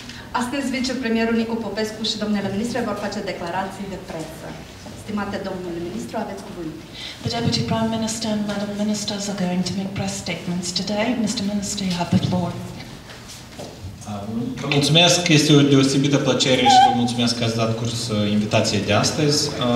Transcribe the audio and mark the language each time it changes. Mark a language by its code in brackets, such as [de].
[ro] Astăzi vicepremierul Nicu Popescu și domnele ministre vor face declarații de presă. Stimate domnule ministru, aveți cuvânt. [en] The Deputy Prime Minister and Madam Ministers are going to make press statements today. Mr. Minister, you have the floor. [ro] Vă mulțumesc, este o deosebită plăcere și vă mulțumesc că ați dat curs invitației de astăzi.